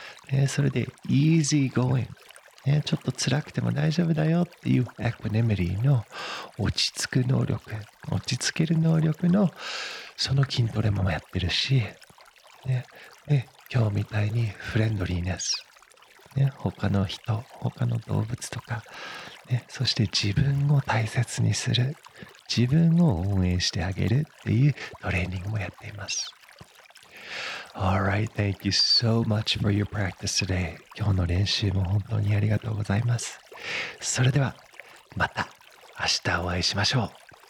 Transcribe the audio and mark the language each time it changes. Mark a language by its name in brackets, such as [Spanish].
[Japanese] ね、それで、 [English] easy going、 [Japanese] ね、ちょっと辛くても大丈夫だよっていう equanimity の落ち着く能力、落ち着ける能力のその筋トレもやってるし、ね、で今日みたいにフレンドリーネス、ね、他の人、他の動物とか、ね、そして自分を大切にする、自分を応援してあげるっていうトレーニングもやっています。 [English] Alright, thank you so much for your practice today. [Japanese] 今日の練習も本当にありがとうございます。それではまた明日お会いしましょう。